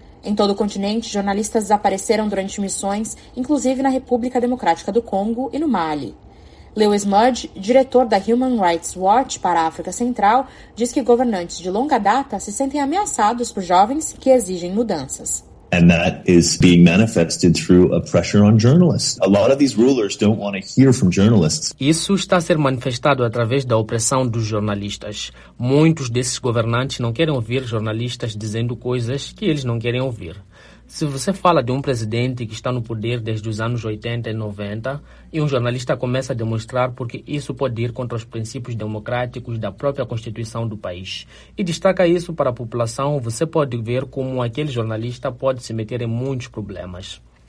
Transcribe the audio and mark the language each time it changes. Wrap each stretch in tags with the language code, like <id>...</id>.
<pt>Em todo o continente, jornalistas desapareceram durante missões, inclusive na República Democrática do Congo e no Mali. Lewis Mudge, diretor da Human Rights Watch para a África Central, diz que governantes de longa data se sentem ameaçados por jovens que exigem mudanças.</pt> <en>And that is being manifested through a pressure on journalists. A lot of these rulers don't want to hear from journalists.</en> <pt>Isso está a ser manifestado através da opressão dos jornalistas. Muitos desses governantes não querem ouvir jornalistas dizendo coisas que eles não querem ouvir. Se você fala de um presidente que está no poder desde os anos 80 e 90 e um jornalista começa a demonstrar porque isso pode ir contra os princípios democráticos da própria Constituição do país e destaca isso para a população, você pode ver como aquele jornalista pode se meter em muitos problemas.</pt>